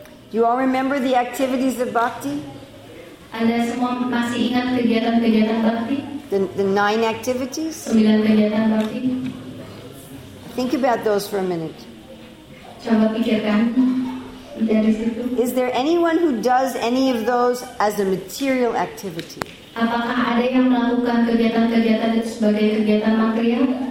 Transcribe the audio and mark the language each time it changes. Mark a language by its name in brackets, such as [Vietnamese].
[English] You all remember the activities of bhakti? [Indonesian] Anda semua masih ingat kegiatan-kegiatan bhakti? [English] The 9 activities? [Indonesian] 9 kegiatan bhakti. [English] Think about those for a minute. [Indonesian] Coba pikirkan dari situ. [English] Is there anyone who does any of those as a material activity? [Indonesian] Apakah ada yang melakukan kegiatan-kegiatan itu sebagai kegiatan material?